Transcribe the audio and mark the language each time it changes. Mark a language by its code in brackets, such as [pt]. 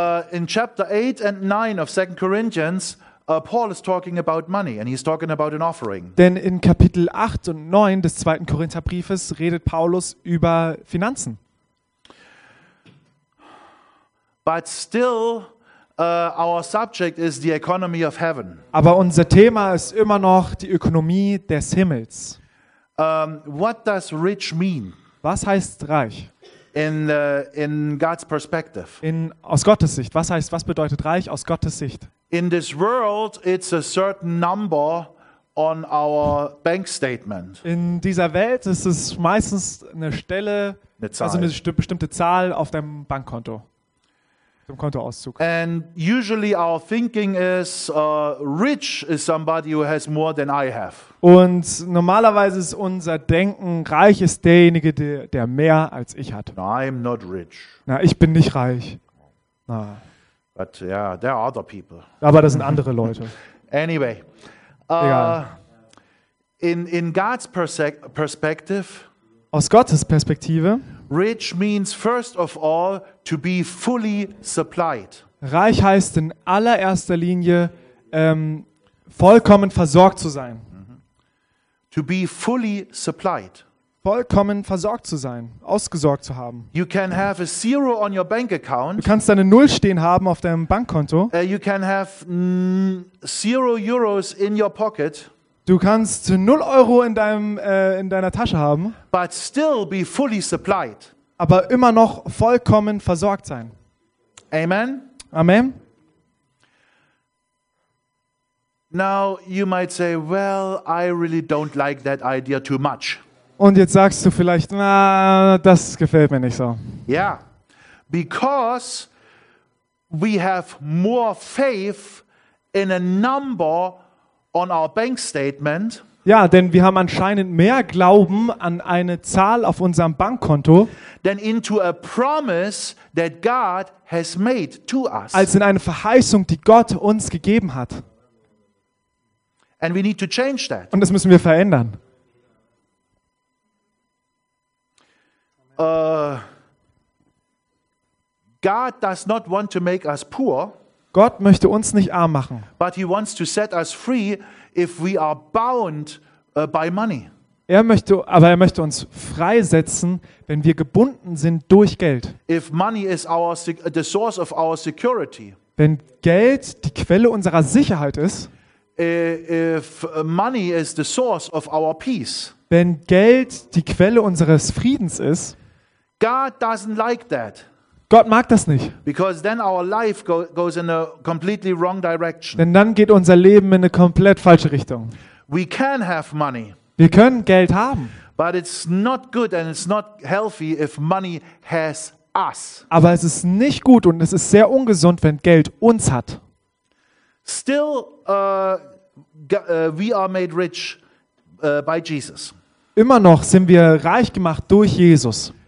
[en] In chapter 8 and 9 of 2 Corinthians, Paul is talking about money and he's talking about an offering. [de] Denn in Kapitel 8 und 9 des 2. Korintherbriefes redet Paulus über Finanzen. [en] But still, our subject is the economy of heaven. [de] Aber unser Thema ist immer noch die Ökonomie des Himmels. [en] What does rich mean? [de] Was heißt reich? [en] In God's perspective. [de] Aus Gottes Sicht. Was bedeutet reich aus Gottes Sicht? [en] In this world, it's a certain number on our bank statement. [de] In dieser Welt ist es meistens eine Stelle, eine bestimmte Zahl auf deinem Bankkonto, dem Kontoauszug. [en] And usually our thinking is, rich is somebody who has more than I have. [de] Und normalerweise ist unser Denken, reich ist derjenige, der mehr als ich hat. [en] No, I'm not rich. [de] Na, ich bin nicht reich. Na. [en] But yeah, there are other people. [de] Aber das sind andere Leute. [en] Anyway, in God's perspective, [de] aus Gottes Perspektive, [en] rich means first of all to be fully supplied. [de] Reich heißt in allererster Linie vollkommen versorgt zu sein. [en] To be fully supplied. [de] Vollkommen versorgt zu sein, ausgesorgt zu haben. [en] You can have a zero on your bank account. [de] Du kannst eine Null stehen haben auf deinem Bankkonto. [en] You can have zero euros in your pocket. [de] Du kannst 0 Euro in deiner Tasche haben. [en] But still be fully supplied. [de] Aber immer noch vollkommen versorgt sein. [en] Amen. [de] Amen. [en] Now you might say, well, I really don't like that idea too much. [de] Und jetzt sagst du vielleicht, na, das gefällt mir nicht so. [en] Yeah, because we have more faith in a number on our bank statement. [de] Ja, denn wir haben anscheinend mehr Glauben an eine Zahl auf unserem Bankkonto [en] than into a promise that God has made to us. [de] Als in eine Verheißung, die Gott uns gegeben hat. [en] And we need to change that. [de] Und das müssen wir verändern. [en] God does not want to make us poor. [de] Gott möchte uns nicht arm machen. [en] But he wants to set us free if we are bound by money. [de] Aber er möchte uns freisetzen, wenn wir gebunden sind durch Geld. [en] If money is our the source of our security. [de] Wenn Geld die Quelle unserer Sicherheit ist. [en] If money is the source of our peace. [de] Wenn Geld die Quelle unseres Friedens ist. [en] God doesn't like that. [de] Gott mag das nicht. [en] Because then our life goes in a completely wrong direction. [de] Denn dann geht unser Leben in eine komplett falsche Richtung. [en] We can have money. [de] Wir können Geld haben. [en] But it's not good and it's not healthy if money has us. [de] Aber es ist nicht gut und es ist sehr ungesund, wenn Geld uns hat. [en] Still we are made rich by Jesus. [de] Immer noch sind wir reich gemacht durch Jesus.